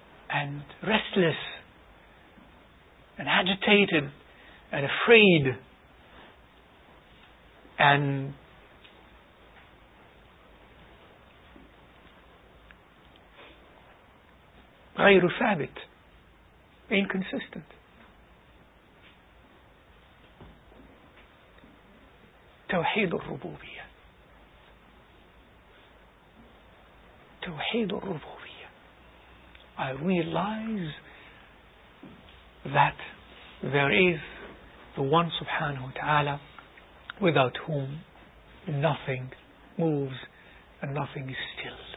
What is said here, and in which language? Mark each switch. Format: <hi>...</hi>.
<en>and restless and agitated and afraid and</en> <ar>غير ثابت,</ar> <en>inconsistent.</en> <ar>توحيد الربوبية, توحيد الربوبية.</ar> <en>I realize that there is the one subhanahu wa ta'ala without whom nothing moves and nothing is still.</en>